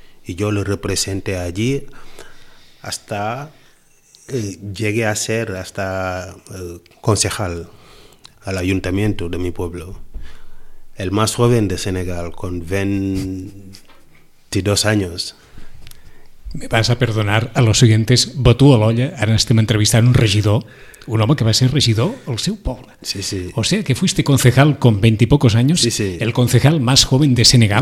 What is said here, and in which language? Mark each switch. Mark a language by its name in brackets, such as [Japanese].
[Spanish] Y yo lo representé allí hasta llegué a ser hasta concejal al ayuntamiento de mi pueblo. El más joven de Senegal, con 22 años. Me vas a perdonar a los siguientes. [Catalan] Batú a l'olla, ara estem entrevistant un regidor, un home que va ser regidor al seu poble. [Spanish] Sí, sí. O sea, que fuiste concejal con 20 y pocos años, sí, sí. El concejal más joven de Senegal.